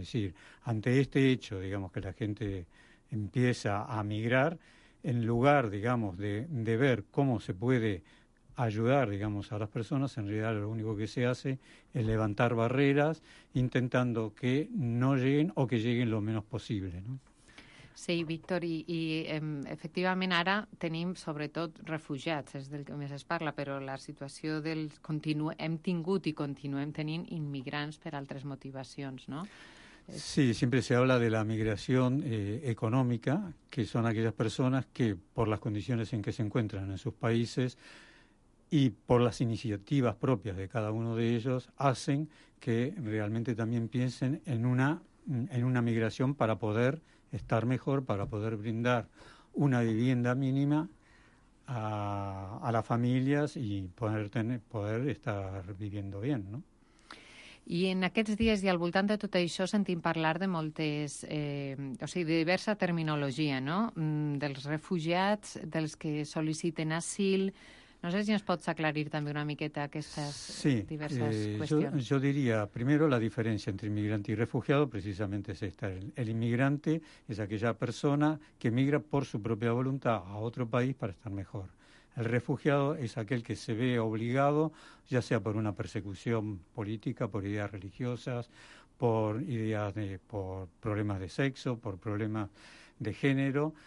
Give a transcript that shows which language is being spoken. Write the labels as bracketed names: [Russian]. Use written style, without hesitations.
[Spanish] Es decir, ante este hecho, digamos, que la gente empieza a migrar, en lugar, digamos, de ver cómo se puede ayudar, digamos, a las personas, en realidad lo único que se hace es levantar barreras intentando que no lleguen o que lleguen lo menos posible, ¿no? [Catalan] Sí, Víctor, efectivament ara tenim sobretot refugiats, és del que més es parla, però la situació hem tingut i continuem tenint immigrants per altres motivacions, no? [Spanish] Sí, siempre se habla de la migración económica, que son aquellas personas que, por las condiciones en que se encuentran en sus países y por las iniciativas propias de cada uno de ellos, hacen que realmente también piensen en una migración para poder estar mejor, para poder brindar una vivienda mínima a las familias y poder estar viviendo bien, ¿no? [Catalan] I en aquests dies i al voltant de tot això sentim parlar de moltes, de diversa terminologia, no? Dels refugiats, dels que sol·liciten asil. No sé si ens pots aclarir també una miqueta aquestes diverses qüestions. Jo diria, [Spanish] primero, la diferència entre immigrante i refugiado precisamente es esta. El immigrante es aquella persona que migra por su propia voluntad a otro país para estar mejor. El refugiado es aquel que se ve obligado, ya sea por una persecución política, por ideas religiosas, por ideas de, por problemas de sexo, por problemas de género.